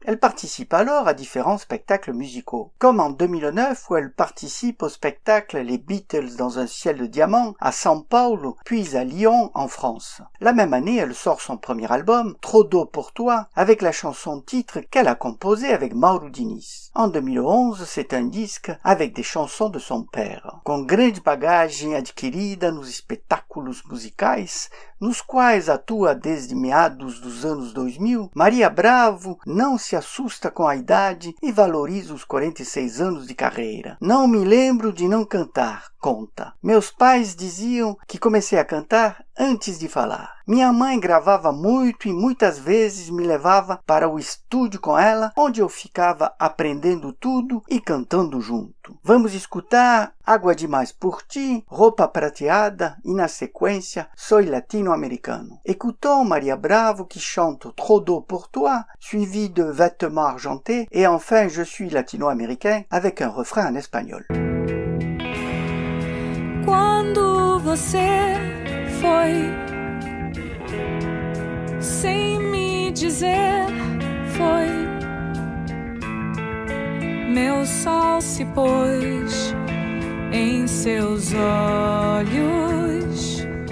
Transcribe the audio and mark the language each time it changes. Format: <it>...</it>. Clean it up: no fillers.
<fr>Elle participe alors à différents spectacles musicaux, comme en 2009 où elle participe au spectacle Les Beatles dans un ciel de diamants à São Paulo, puis à Lyon, en France. La même année, elle sort son premier album Trop d'eau pour toi avec la chanson titre qu'elle a composée avec Mauro Diniz. En 2011, c'est un disque avec des chansons de son père.</fr> <pt>Com grande bagagem adquirida nos espetáculos musicais, nos quais atua desde meados dos anos 2000, Maria Bravo não se assusta com a idade e valoriza os 46 anos de carreira. Não me lembro de não cantar, conta. Meus pais diziam que comecei a cantar antes de falar. Minha mãe gravava muito e muitas vezes me levava para o estúdio com ela, onde eu ficava aprendendo tudo e cantando junto. Vamos escutar Água Demais por Ti, Roupa Prateada e, na sequência, Soy Latino-Americano.</pt> <fr>Écoutons Maria Bravo que chante Trop d'eau pour toi, suivi de Vêtements argentés et enfin Je suis latino-américain avec un refrain en espagnol.</fr> <pt>Quando você foi sem me dizer, foi meu sol se pôs em seus olhos.</pt>